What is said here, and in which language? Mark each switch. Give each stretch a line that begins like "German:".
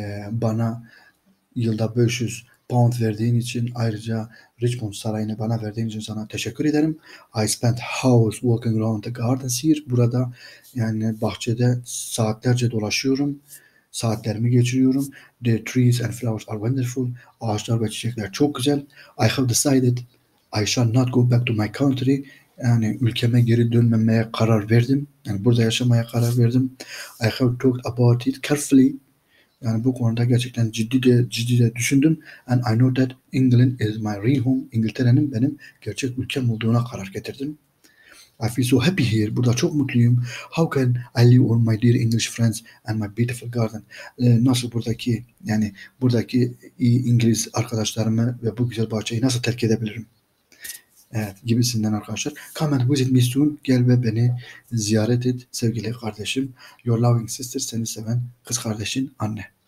Turkish: Bana yılda 500 pound verdiğin için ayrıca Richmond Sarayı'nı bana verdiğin için sana teşekkür ederim.
English: I spent hours walking around the gardens here.
Turkish: Burada yani bahçede saatlerce dolaşıyorum. Saatlerimi geçiriyorum.
English: The trees and flowers are wonderful.
Turkish: Ağaçlar ve çiçekler çok güzel.
English: I have decided I shall not go back to my country.
Turkish: Yani ülkeme geri dönmemeye karar verdim. Yani burada yaşamaya karar verdim.
English: I have talked about it carefully.
Turkish: Yani bu konuda gerçekten ciddi de düşündüm.
English: And I know that England is my real home.
Turkish: İngiltere'nin benim gerçek ülkem olduğuna karar getirdim.
English: I feel so happy here.
Turkish: Burada çok mutluyum.
English: How can I leave all my dear English friends and my beautiful garden?
Turkish: Nasıl buradaki yani buradaki iyi İngiliz arkadaşlarımı ve bu güzel bahçeyi nasıl terk edebilirim? Evet, gibisinden arkadaşlar.
English: Come and visit me soon.
Turkish: Gel ve beni ziyaret et sevgili kardeşim.
English: Your loving sister,
Turkish: seni seven kız kardeşin anne.